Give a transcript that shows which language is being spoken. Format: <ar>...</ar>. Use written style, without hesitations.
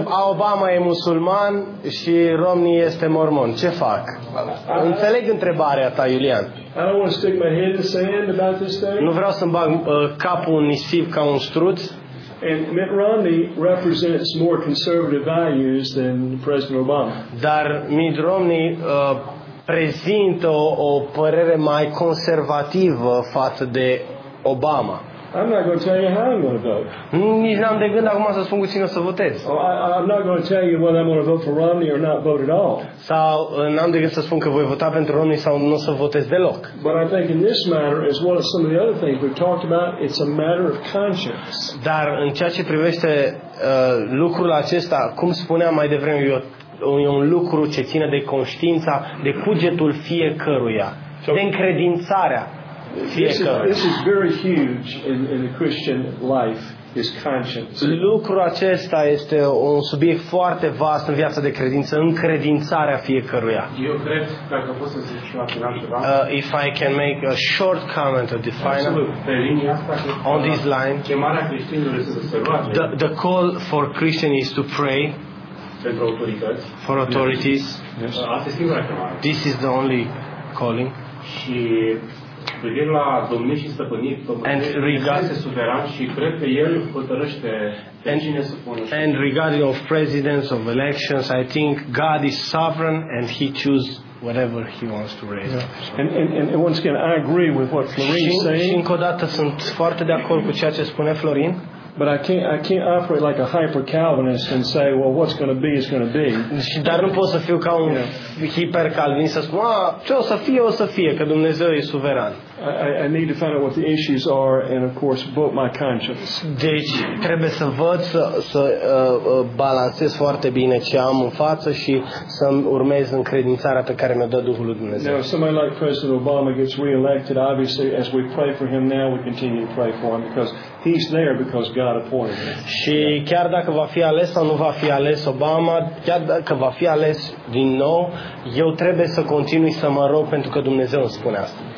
<ro>Obama e musulman și Romney este mormon. Ce fac? Înțeleg întrebarea ta, Iulian.</ro> <en>I don't want to stick my head in the sand about this thing.</en> <ro>Nu vreau să-mi bag capul în nisip ca un struț.</ro> <en>And Mitt Romney represents more conservative values than President Obama.</en> <ro>Dar Mitt Romney prezintă o părere mai conservativă față de Obama.</ro> <en>I'm not going to tell you how I'm going to vote.</en> <ro>Nici n-am de gând acum să spun cu cine o să votez.</ro> <en>I'm not going to tell you whether I'm going to vote for Romney or not vote at all.</en> <ro>Sau n-am de gând să spun că voi vota pentru Romney sau nu o să votez deloc.</ro> <en>But I think in this matter, as well as some of the other things we've talked about, it's a matter of conscience.</en> <ro>Dar în ceea ce privește lucrul acesta, cum spuneam mai devreme, e un lucru ce ține de conștiința, de cugetul fiecăruia, de încredințarea.</ro> <en>This is very huge in the Christian life, is conscience.</en> <ro>Lucrul acesta este un subiect foarte vast în viața de credință, încredințarea fiecăruia. Eu cred, dacă pot să zic și la final ceva.</ro> <en>If I can make a short comment or define on this line,</en> <ro>chemarea creștinilor este să se roage.</ro> <en>The call for Christian is to pray.</en> <ro>Pentru autorități.</ro> <en>For authorities.</en> <ro>Asta e singura chemare.</ro> <en>This is the only calling.</en> <ro>Și privind la domnii și stăpânii, este suveran și cred că el hotărăște pe cine să pună.</ro> <en>And regarding of presidents of elections, I think God is sovereign and he chooses whatever he wants to raise. Yeah. And once again, I agree with what Florin is saying.</en> <ro>Și încă o dată sunt foarte de acord cu ceea ce spune Florin.</ro> <en>But I can't operate like a hyper Calvinist and say, well, what's going to be is going to be.</en> <ro>Dar nu pot să fiu ca un hiper Calvinist să spun, ce o să fie, că Dumnezeu e suveran.</ro> <en>I need to find out what the issues are and, of course, vote my conscience.</en> <ro>Deci trebuie să văd să balancez foarte bine ce am în față și să urmez încredințarea pe care mi-o dă Duhul lui Dumnezeu.</ro> <en>Now, if somebody like President Obama gets reelected, obviously, as we pray for him now, we continue to pray for him because He's there because God appointed him.</en> <ro>Și chiar dacă va fi ales sau nu va fi ales Obama, chiar dacă va fi ales din nou, eu trebuie să continui să mă rog pentru că Dumnezeu îmi spune asta.</ro>